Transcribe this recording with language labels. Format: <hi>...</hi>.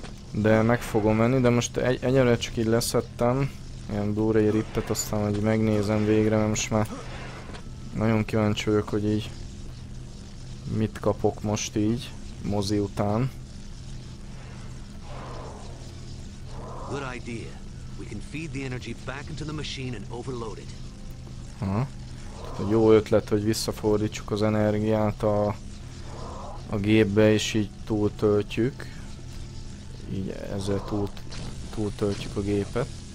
<hu>De meg fogom venni, de most egyelőre csak így leszettem. Ilyen Blu-ray rippet, aztán hogy megnézem végre, mert most már nagyon kíváncsi vagyok, hogy így mit kapok most így, mozi után.</hu> <en>Good idea. We can feed the energy back into the machine and overload it.</en> <hu>Aha. Jó ötlet, hogy visszafordítsuk az energiát a gépbe, és így túltöltjük. Így ezzel túltöltjük a gépet.</hu>